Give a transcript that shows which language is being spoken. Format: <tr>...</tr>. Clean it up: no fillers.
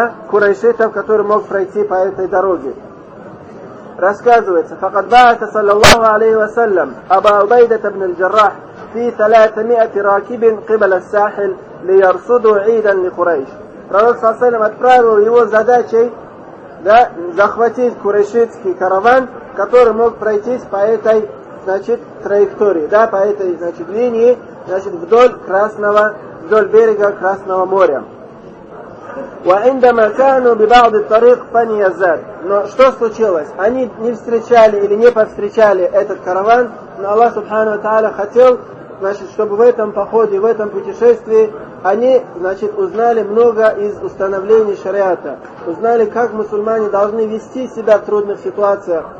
<ru>Курайшитов, который мог пройти по этой дороге. Рассказывается,</ru> <ar>فقد بعث صلى الله عليه وسلم أبا عبيدة بن الجراح في 300 راكب قبل الساحل ليرصدوا عيدا لقريش.</ar> <ru>Пророк صلى отправил его задачей, да, захватить курайшитский караван, который мог пройти по этой, значит, траектории, да, по этой, значит, линии, значит, вдоль берега Красного моря.</ru> <ar>وعندما كانوا ببعض الطريق بني يزاد.</ar> <ru>Но что случилось? Они не встречали или не повстречали этот караван, но Аллах Субхану ва Тааля хотел, значит, чтобы в этом походе, в этом путешествии они, значит, узнали много из установлений шариата. Узнали, как мусульмане должны вести себя в трудных ситуациях.</ru>